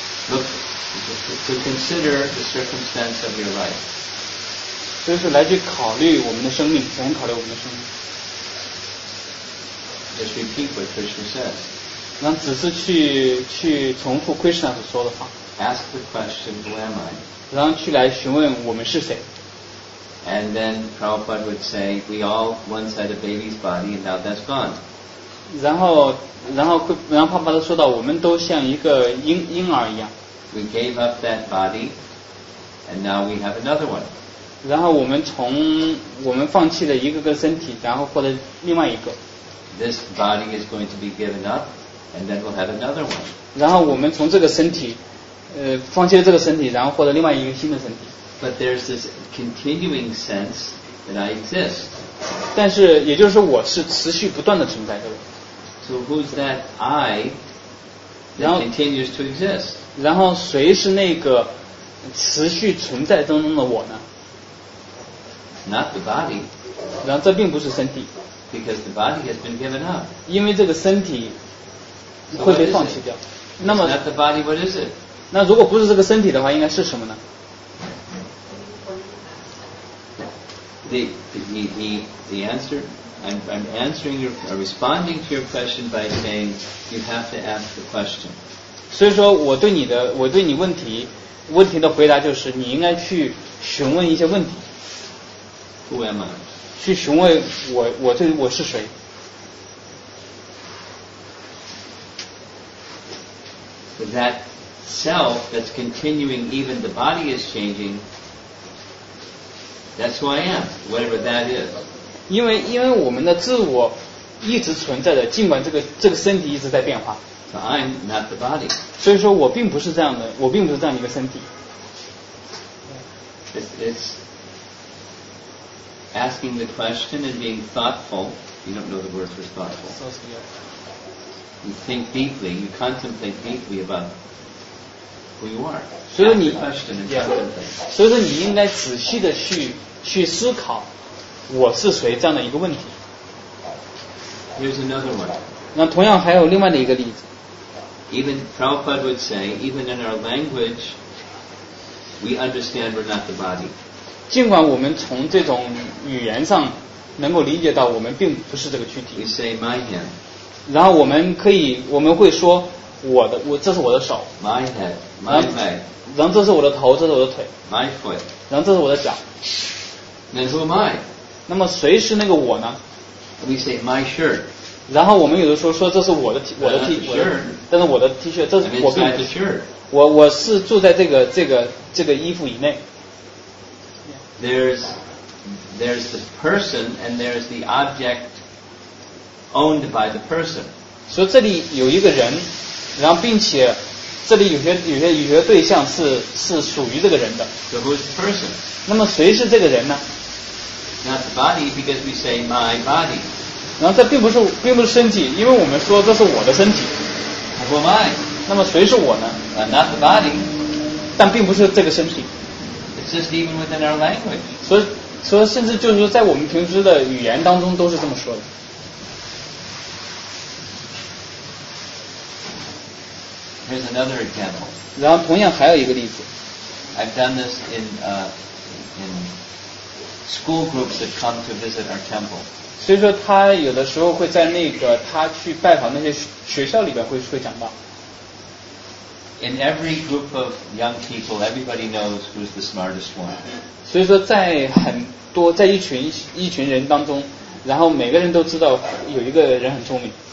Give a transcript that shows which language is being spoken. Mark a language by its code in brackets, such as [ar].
[en] Look, to consider the circumstance of your life. [zh] 就是来去考虑我们的生命，先考虑我们的生命。 [en] Just repeat what Krishna says. [zh] 那只是去重复 Krishna 所说的话。 [en] Ask the question, who am I? [zh] 然后去来询问我们是谁。 [en] And then Prabhupada would say, we all once had a baby's body and now that's gone. [zh] 然后帕帕都说到我们都像一个婴儿一样。 [en] We gave up that body and now we have another one. [zh] 然后我们从我们放弃的一个个身体，然后获得另外一个。 [en] This body is going to be given up, and then we'll have another one. [zh] 然后我们从这个身体，放弃了这个身体，然后获得另外一个新的身体。 [en] But there's this continuing sense that I exist. [zh] 但是也就是说，我是持续不断的存在的。 [en] So who's that I that continues to exist? [zh] 然后谁是那个持续存在当中的我呢？ [en] Not the body. [zh] 然后这并不是身体。 [en] Because the body has been given up. [zh] 因为这个身体会被放弃掉。那么 [en] not the body, what is it? [zh] 那如果不是这个身体的话，应该是什么呢？ [en] The answer, I'm answering your, or responding to your question by saying you have to ask the question. [zh] 所以说我对你问题的回答就是你应该去询问一些问题。 [en] Who am I? [zh] 去询问我是谁。 [en] That self that's continuing, even the body is changing, that's who I am, whatever that is. [zh] 因为我们的自我一直存在的，尽管这个身体一直在变化。 [en] So I'm not the body. [zh] 所以说我并不是这样的，我并不是这样一个身体。 [en] It's asking the question and being thoughtful. You don't know the word for thoughtful. You think deeply, you contemplate deeply about who you are. So ask the question and contemplate. [zh] 所以说你应该仔细的去思考我是谁这样的一个问题。 [en] Here's another one. [zh] 那同样还有另外的一个例子。 [en] Even Prabhupada would say, even in our language, we understand we're not the body. [zh] 尽管我们从这种语言上能够理解到我们并不是这个躯体。 [en] We say my hand. [zh] 然后我们会说我这是我的手。 [en] My head, my leg. [zh] 然后这是我的头，这是我的腿。 [en] My foot. [zh] 然后这是我的脚。 [en] Then who am I? [zh] 那么谁是那个我呢？ [en] We say my shirt. [zh] 然后我们有的时候说这是我的 T 恤，但是我的 T 恤，这是我并不是，我是住在这个衣服以内。 [en] There's the person and there's the object owned by the person. [zh] 所以这里有一个人，然后并且这里有些对象是属于这个人的。 [en] So who's the person? [zh] 那么谁是这个人呢？ [en] Not the body because we say my body. [zh] 然后这并不是身体，因为我们说这是我的身体。 [en] Who am I? [zh] 那么谁是我呢？ [en] Not the body. [zh] 但并不是这个身体。 [en] It's just even within our language. [zh] 所以甚至就是说在我们平时的语言当中都是这么说的。 [en] Here's another example. [zh] 然后同样还有一个例子。 [en] I've done this in school groups that come to visit our temple. [zh] 所以说他有的时候会在那个他去拜访那些学校里边会讲到。 [en] In every group of young people, everybody knows who's the smartest one. [zh] 所以说在很多在一群人当中，然后每个人都知道有一个人很聪明。